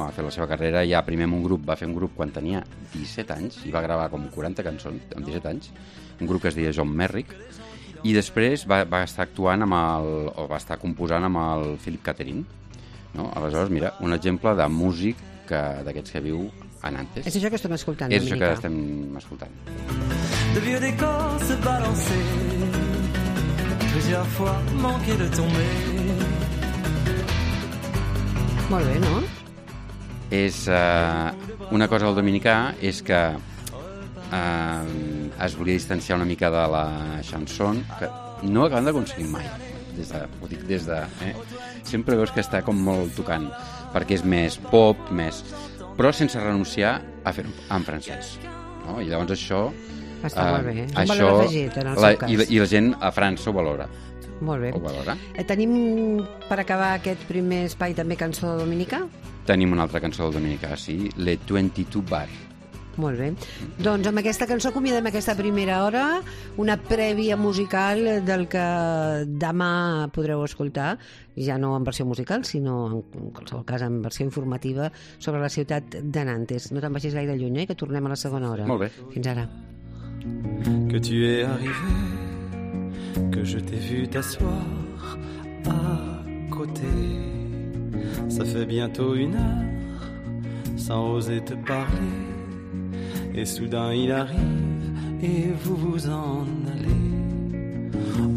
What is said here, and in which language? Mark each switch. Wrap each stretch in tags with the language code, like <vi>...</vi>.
<ca>Ha fet la seva carrera ja primer en un grup, va fer un grup quan tenia 17 anys i va gravar com 40 cançons amb 17 anys, un grup que es deia John Merrick, i després va estar actuant amb el, o va estar composant amb el Philip Catherine, no? Aleshores, mira, un exemple de músic d'aquests que viu a Nantes. És això que estem escoltant, Dominica. És això que estem escoltant.</ca> <fr>De vieux décors se balancer, plusieurs fois manquer de tomber.</fr> <ca>Molt bé, no? És una cosa del dominicà, és que es volia distanciar una mica de la chanson, que no acabem d'aconseguir mai. Sempre veus que està com molt tocant, perquè és més pop, més, però sense renunciar a fer en francès, no? I llavors això està molt bé. Això, un valor afegit en el seu cas. I la gent a França ho valora. Molt bé. Ho valora. Tenim per acabar aquest primer espai també cançó de Dominica? Tenim una altra cançó de Dominica, sí, Le 22 Bar. Molt bé. Doncs amb aquesta cançó acomiadem aquesta primera hora, una prèvia musical del que demà podreu escoltar, ja no en versió musical, sinó en qualsevol cas en versió informativa sobre la ciutat de Nantes. No te'n vagis gaire lluny, que tornem a la segona hora. Molt bé. Fins ara.</ca> <fr>Que tu es arrivé, que je t'ai vu t'asseoir à côté. Ça fait bientôt une heure sans oser te parler. Et soudain il arrive et vous vous en allez.</fr>